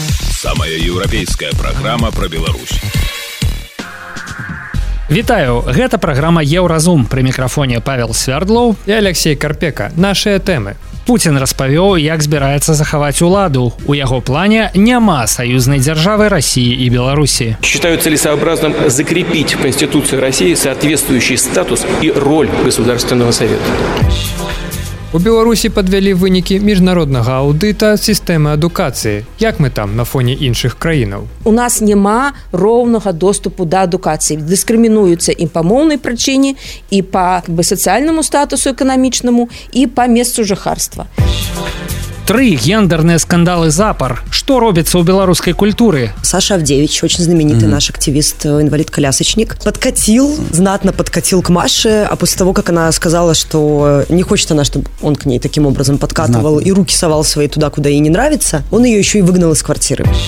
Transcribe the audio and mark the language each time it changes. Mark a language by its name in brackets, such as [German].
[Belarusian] Самая еўрапейская праграма пра Беларусь. Вітаю, гэта праграма Еўразум. Пры мікрафоне Павел Свярдлоў і Алексей Карпека. Нашыя тэмы. Пуцін распавёў, як збіраецца захаваць уладу. У яго плане няма саюзнай дзяржавы Расіі і Беларусі. [Russian] Считаю целесообразным закрепить в Конституции России соответствующий статус и роль Государственного совета. [Belarusian] У Беларусі падвялі вынікі міжнароднага аўдыта сістэмы адукацыі. Як мы там на фоне іншых краінаў? У нас няма роўнага доступу да адукацыі. Дыскрымінуюцца і па моўнай прычыне, і па сацыяльнаму статусу эканамічнаму, і па месцу жыхарства. [Russian] Три гендерные скандалы запар. Что робится у белорусской культуры? Саша Авдевич, очень знаменитый наш активист, инвалид-колясочник, подкатил, знатно подкатил к Маше, а после того, как она сказала, что не хочет она, чтобы он к ней таким образом подкатывал и руки совал свои туда, куда ей не нравится, он ее еще и выгнал из квартиры.